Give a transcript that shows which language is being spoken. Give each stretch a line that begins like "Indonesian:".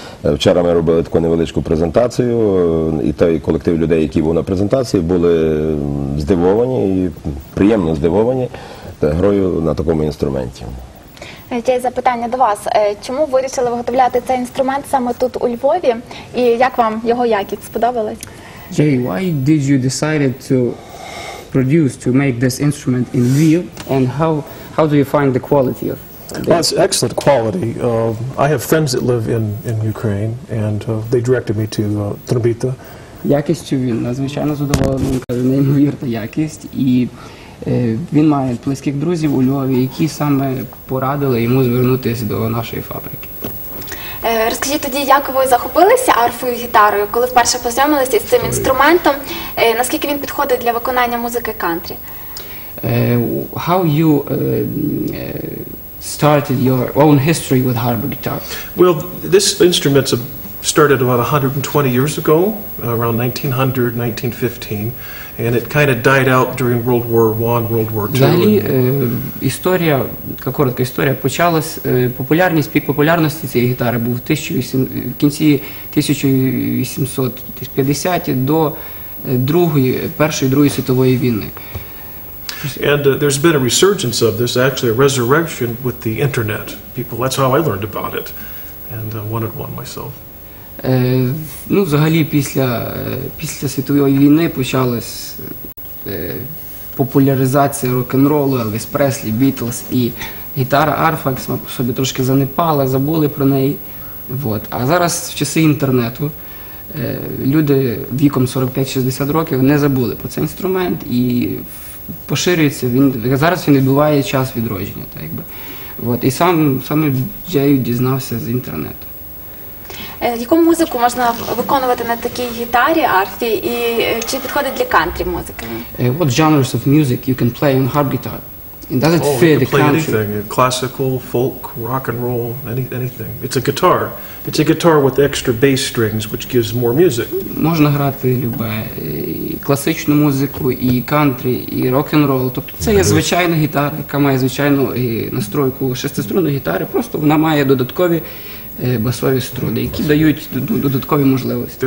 Ukrainian: Вчора ми робили таку невеличку презентацію, і той колектив людей, які був на презентації, були здивовані і приємно здивовані грою на такому інструменті. Є запитання до вас. Чому вирішили виготовляти цей інструмент саме тут у Львові? І як вам його якість сподобалась?
English: Jay, why did you decide to produce, to make this instrument in Lviv? And how do you find the quality of it? Well, it's excellent quality. I have friends that live in Ukraine, and they directed me to Trubita.
Ukrainian: Якістю він надзвичайно задоволений, він каже, неймовірна якість. І він має близьких друзів у Львові, які саме порадили йому звернутися до нашої фабрики. Розкажіть тоді, як ви захопилися арфою, гітарою, коли вперше познайомилися з цим інструментом? Наскільки він підходить для виконання музики кантрі?
English: How you started your own history with harp guitar? Well, this instrument started about 120 years ago, around 1900, 1915. And it kind of died out during World War I, World War II.
Ukrainian: Взагалі, історія, така коротка історія, почалась, популярність, пік популярності цієї гітари був в кінці 1850-ті до Першої-Другої світової війни.
English: And there's been a resurgence of this, actually a resurrection with the internet. People, that's how I learned about it, and wanted one myself.
Ukrainian: Ну, взагалі, після світової війни почалась популяризація рок-н-ролу, Елвіс Преслі, Бітлз, і гітара арфа сама по собі трошки занепала, забули про неї. Вот. А зараз, в часи інтернету, люди віком 45-60 років не забули про цей інструмент і поширюється. Зараз він відбуває час відродження. Так, якби. Вот. І сам Джей дізнався з інтернету. Яку музику можна виконувати на такій гітарі, арфі, і чи підходить для кантрі музики?
English: What genres of music you can play on harp guitar? And does it fit the country? Anything. Classical, folk, rock and roll, anything. It's a guitar. It's a guitar with extra bass strings, which gives more music.
Ukrainian: Можна грати любе, і класичну музику, і кантрі, і рок and roll. Тобто це є звичайна гітара, яка має звичайну настройку шестиструнної гітари, просто вона має додаткові басові струни, які дають додаткові можливості.